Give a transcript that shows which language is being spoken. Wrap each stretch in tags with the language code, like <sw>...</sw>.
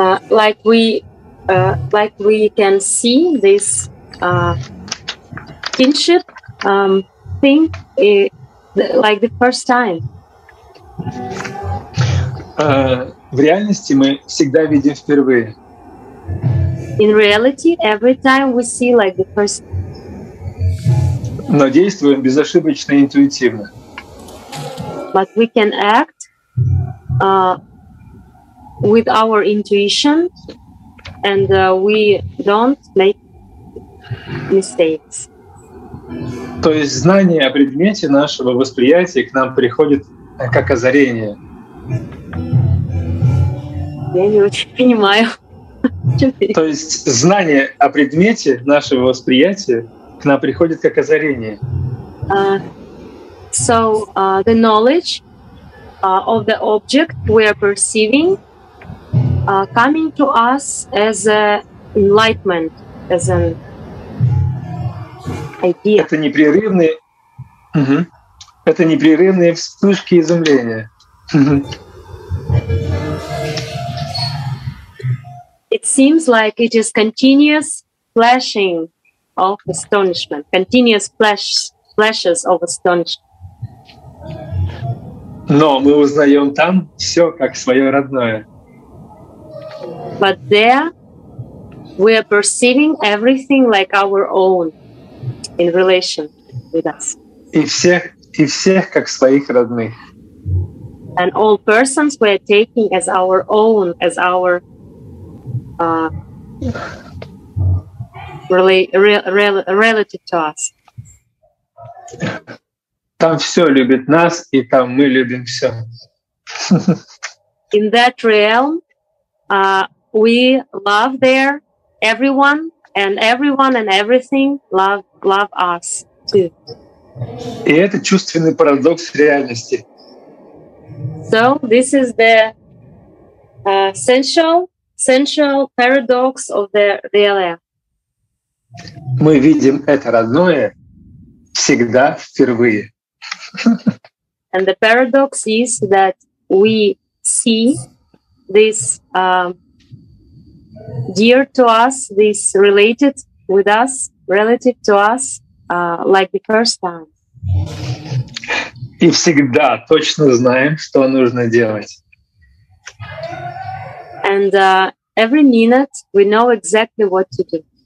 <en>Like we can see this kinship thing like the first time.</en> <ru>В реальности мы всегда видим впервые.</ru> <en>In reality, every time we see like the first time.</en> <ru>Но действуем безошибочно и интуитивно.</ru> <en>But we can act with our intuition, and we don't make mistakes.</en> <ru>То есть знание о предмете нашего восприятия к нам приходит как озарение. Я не очень понимаю. То есть знание о предмете нашего восприятия к нам приходит как озарение.</ru> <en>The knowledge of the object we are perceiving coming to us as an enlightenment, as an idea.</en> <ru>Это непрерывные вспышки изумления.</ru> <en>It seems like it is continuous flashing of astonishment, continuous flashes of astonishment.</en> <ru>Но мы узнаем там все как свое родное.</ru> <en>But there we are perceiving everything like our own in relation with us.</en> <ru>И всех как своих родных.</ru> <en>And all persons we are taking as our own, as our relative to us.</en> <ru>Там все любит нас, и там мы любим все.</ru> <en>In that realm, we love there everyone, and everyone and everything love us too.</en> <ru>И это чувственный парадокс реальности.</ru> <en>So this is the sensual, central paradox of the realm.</en> <ru>Мы видим это родное всегда впервые.</ru> <en>And the paradox is that we see this dear to us, this related with us, relative to us, like the first time.</en> <ru>И всегда точно знаем, что нужно делать.</ru> <en>And every minute we know exactly what to do.</en>